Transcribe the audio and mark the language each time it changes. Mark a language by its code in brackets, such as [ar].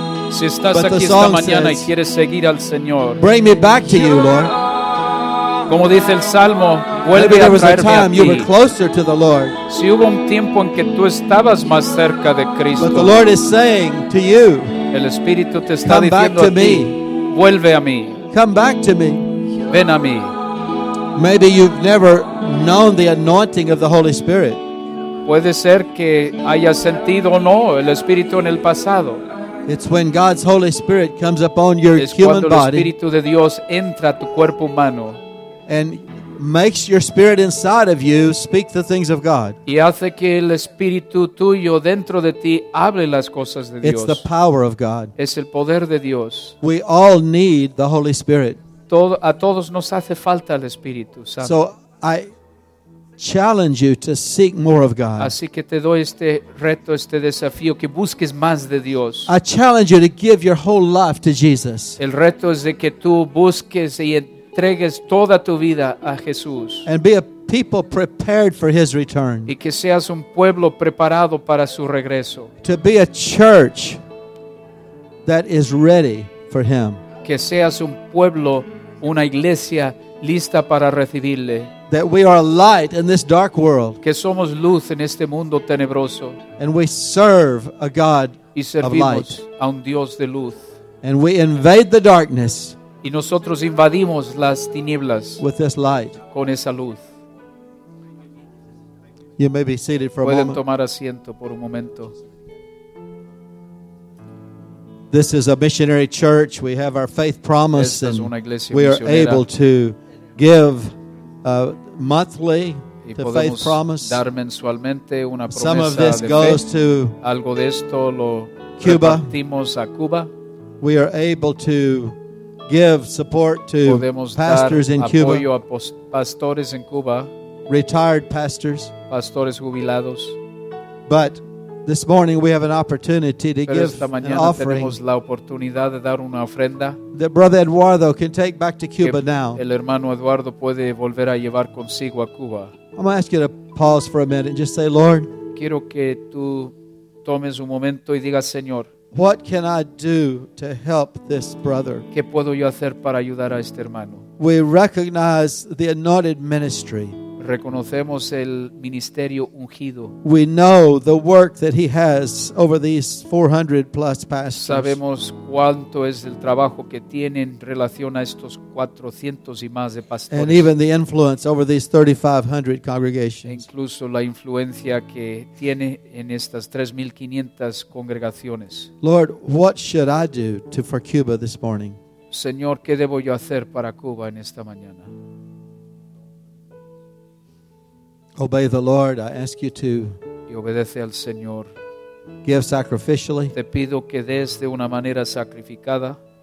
[es] Si estás aquí esta mañana y quieres seguir al Señor, [en] bring me back to you, Lord. [es] Como dice el Salmo, vuelve a traerme a ti. [en] Maybe there was a time you were closer to the Lord. [es] Si hubo un tiempo en que tú estabas más cerca de Cristo. [en] But the Lord is saying to you, [es] el Espíritu te está diciendo a ti, [en] come back to me. [es] Vuelve a mí. [en] Come back to me. [es] Ven a mí. [en] Maybe you've never known the anointing of the Holy Spirit. [es] Puede ser que haya sentido o no el Espíritu en el pasado. [en] It's when God's Holy Spirit comes upon your human body. [es] Es cuando el Espíritu de Dios entra a tu cuerpo humano. [en] And makes your spirit inside of you speak the things of God. [es] Y hace que el Espíritu tuyo dentro de ti hable las cosas de Dios. [en] It's the power of God. [es] Es el poder de Dios. [en] We all need the Holy Spirit. [es] A todos nos hace falta el Espíritu Santo. [en] So challenge you to seek more of God. [es] Así que te doy este reto, este desafío, que busques más de Dios. [en] I challenge you to give your whole life to Jesus. [es] El reto es de que tú busques y entregues toda tu vida a Jesús. [en] And be a people prepared for His return. [es] Y que seas un pueblo preparado para su regreso. [en] To be a church that is ready for Him. [es] Que seas un pueblo, una iglesia lista para recibirle. [en] That we are a light in this dark world. [es] Que somos luz en este mundo tenebroso. [en] And we serve a God [es] y servimos [en] of light. [es] A un Dios de luz. [en] And we invade the darkness. [es] Y nosotros invadimos las tinieblas [en] with this light. [es] Con esa luz. [en] You may be seated for [es] pueden [en] a moment. [es] Tomar asiento por un momento. [en] This is a missionary church. We have our faith promise. [es] Esta es una iglesia [en] and [es] misionera. [en] We are able to give monthly the faith promise. [es] Dar mensualmente una promesa. [en] Some of this goes [es] fe. [en] To [es] algo de esto lo Cuba. Repartimos a Cuba. [en] We are able to give support to [es] podemos [en] pastors [es] dar [en] in [es] apoyo Cuba. Apoyo a pastores en Cuba. [en] Retired pastors. [es] Pastores jubilados. [en] But this morning we have an opportunity to [es] pero esta mañana [en] an offering [es] tenemos la oportunidad de dar una ofrenda [en] that Brother Eduardo can take back to Cuba now. [es] El hermano Eduardo puede volver a llevar consigo a Cuba. [en] I'm going to ask you to pause for a minute and just say, Lord, [es] quiero que tú tomes un momento y digas, Señor, [en] what can I do to help this brother? [es] ¿Qué puedo yo hacer para ayudar a este hermano? [en] We recognize the anointed ministry. [es] Reconocemos el ministerio ungido. [en] We know the work that he has over these 400 plus pastors. [es] Sabemos cuánto es el trabajo que tiene en relación a estos 400 y más de pastores. [en] And even the influence over these 3,500 congregations. [es] E incluso la influencia que tiene en estas 3,500 congregaciones. [en] Lord, what should I do to for Cuba this morning? [es] Señor, ¿qué debo yo hacer para Cuba en esta mañana? [en] Obey the Lord. I ask you to [es] y obedece al Señor. [en] Give sacrificially. [es] Te pido que des de una manera sacrificada.